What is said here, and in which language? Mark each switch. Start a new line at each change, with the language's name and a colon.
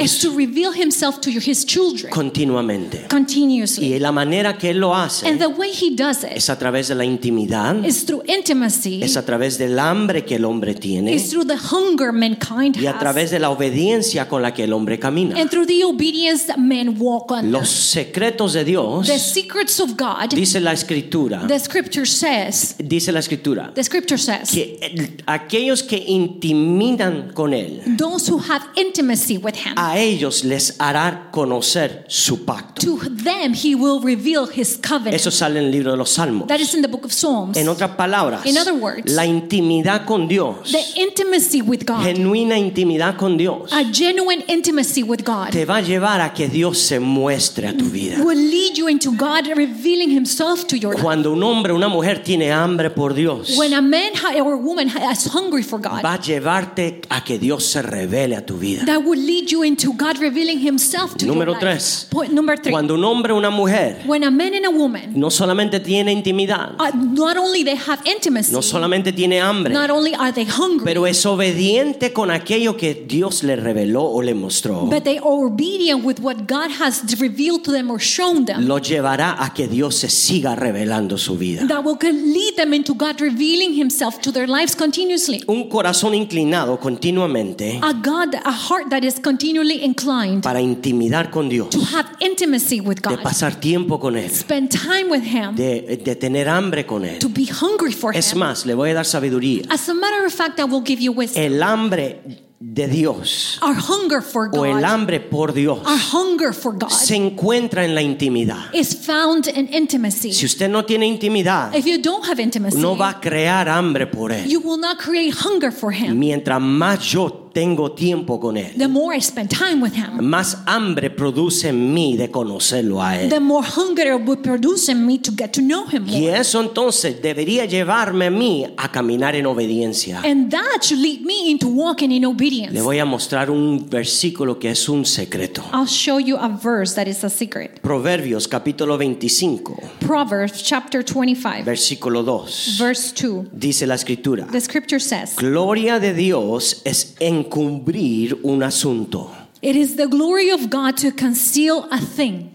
English: Is to reveal himself to his children.
Spanish: Continuamente.
English: Continuously.
Spanish: Y la manera que él lo hace.
English: And the way he does it.
Spanish: Es a través de la intimidad.
English: Is through intimacy.
Spanish: Es a través del hambre que el hombre tiene.
English: Is through the hunger mankind has.
Spanish: Y a través de la obediencia con la que el hombre camina.
English: And through the obedience that men walk on.
Spanish: Los secretos de Dios.
English: The secrets of God.
Spanish: Dice la escritura.
English: The scripture says.
Spanish: Dice la escritura.
English: The scripture says.
Spanish: Que aquellos que intimidan con él.
English: Those who have intimacy with him.
Spanish: A ellos les hará conocer su pacto.
English: To them he will reveal his covenant.
Spanish: Eso sale en el libro de los Salmos.
English: That is in the book of Psalms.
Spanish: En otras palabras.
English: In other words.
Spanish: La intimidad con Dios.
English: The intimacy with God.
Spanish: Genuina intimidad con Dios.
English: A genuine intimacy with God.
Spanish: Te va a llevar a que Dios se muestre a tu vida.
English: Will lead you into God revealing himself to your life.
Spanish: Cuando un hombre o una mujer tiene hambre por Dios.
English: When a man or a woman is hungry for God.
Spanish: Va a llevarte a que Dios se revele a tu vida.
English: That will lead you into God revealing himself to
Spanish: Número
English: your
Spanish: tres.
English: Life. Number 3.
Spanish: Cuando un hombre o una mujer.
English: When a man and a woman.
Spanish: No solamente tiene intimidad.
English: Not only they have intimacy.
Spanish: No solamente tiene hambre.
English: Not only are they hungry.
Spanish: Pero es obediente con aquello que Dios le reveló o le mostró.
English: But they are obedient with what God has revealed to them or shown them.
Spanish: Lo llevará a que Dios se siga revelando su vida.
English: That will lead them into God revealing himself to their lives continuously.
Spanish: Un corazón inclinado continuamente.
English: A heart that is continually inclined.
Spanish: Para intimidar con Dios.
English: To have intimacy with God.
Spanish: De pasar tiempo con él.
English: Spend time with him.
Spanish: De tener hambre con él.
English: To be hungry for
Spanish: Es más, le voy a dar sabiduría.
English: As a matter of fact, I will give you wisdom.
Spanish: El hambre de Dios.
English: Our hunger for God.
Spanish: O el hambre por Dios.
English: Our hunger for God.
Spanish: Se encuentra en la intimidad.
English: Is found in intimacy.
Spanish: Si usted no tiene intimidad.
English: If you don't have intimacy.
Spanish: No va a crear hambre por él.
English: You will not create hunger for him.
Spanish: Mientras más yo tengo tiempo con él.
English: The more I spend time with him.
Spanish: Más hambre produce en mí de conocerlo a él.
English: The more hunger it will produce in me to get to know him more.
Spanish: Y eso entonces debería llevarme a mí a caminar en obediencia.
English: And that should lead me into walking in obedience.
Spanish: Le voy a mostrar un versículo que es un secreto.
English: I'll show you a verse that is a secret.
Spanish: Proverbios capítulo 25.
English: Proverbs chapter 25.
Spanish: Versículo 2.
English: Verse 2.
Spanish: Dice la escritura.
English: The scripture says.
Spanish: Gloria de Dios es encubrir un asunto.
English: It is the glory of God to conceal a thing.